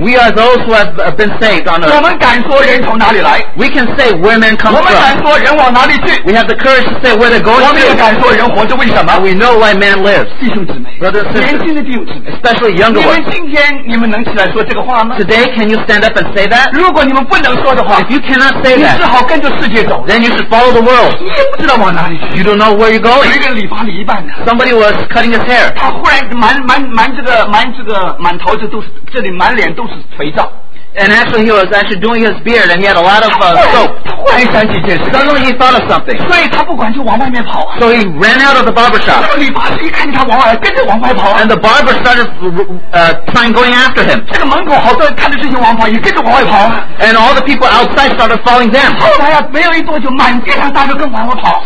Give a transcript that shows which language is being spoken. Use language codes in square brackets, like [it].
[en] We are those who have been saved on earth. [zh] 我们敢说人从哪里来。 [en] We can say where man comes from. [zh] 我们敢说人往哪里去。 [en] We have the courage to say where they're going to. [zh] 我们也敢说人活着为什么。 [en] We know why man lives. [zh] 弟兄姊妹。 [en] Brothers, sisters, [zh] 年轻的弟兄姊妹， [en] especially younger ones, [zh] 你们今天你们能起来说这个话吗？ [en] Today, can you stand up and say that? [zh] 如果你们不能说的话， [en] if you cannot say that, [zh] 你只好跟着世界走， [en] then you should follow the world. [zh] 你也不知道往哪里去， [en] you don't know where you're going. [zh] 有一个理发理一半的， [en] somebody was cutting his hair. [zh] 他忽然满这个满头子都是，这里满脸都是肥皂。 [en] And actually, he was actually doing his beard, and he had a lot of soap. [zh] 他忽然想起一件事。 [en] Suddenly, he thought of something. [zh] 所以他不管就往外面跑。 [en] So he ran out of the barber shop. [zh] 那个理发师一看见他往外跟着往外跑。 [en] And the barber started going after him. [zh] 这个门口好多人看着这些往跑，也跟着往外跑。 [en] And all the people outside started following them. [zh] 后来啊，没有一多久，满街上大家跟往外跑。